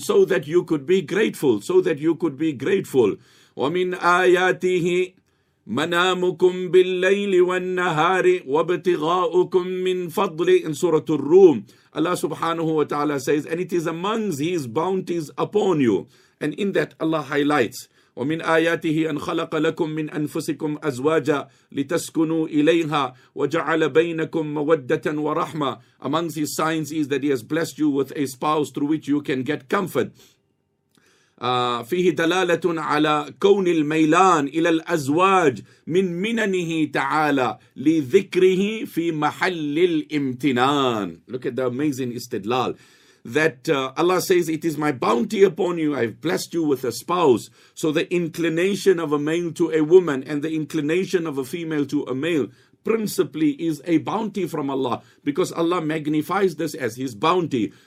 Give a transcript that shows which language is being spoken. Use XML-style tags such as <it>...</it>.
<en>So that you could be grateful. So that you could be grateful.</en> <ar>وَمِنْ آيَاتِهِ مَنَامُكُمْ بِاللَّيْلِ وَالنَّهَارِ وَابْتِغَاؤُكُمْ مِنْ فَضْلِ.</ar> <en>In Surah Ar-Rum, Allah subhanahu wa ta'ala says, and it is amongst His bounties upon you. And in that Allah highlights,</en> <ar>وَمِنْ آيَاتِهِ أَنْ خَلَقَ لَكُمْ مِنْ أَنفُسِكُمْ أَزْوَاجًا لِتَسْكُنُوا إِلَيْهَا وَجَعَلَ بَيْنَكُمْ مَوَدَّةً وَرَحْمَةً.</ar> <en>Amongst His signs is that He has blessed you with a spouse through which you can get comfort.</en> <ar>فيه دلالة على كون الميلان إلى الأزواج من مننه تعالى لذكره في محل الامتنان.</ar> <en>Look at the amazing استدلال. That Allah says, it is my bounty upon you, I have blessed you with a spouse. So the inclination of a male to a woman and the inclination of a female to a male principally is a bounty from Allah, because Allah magnifies this as His bounty.</en>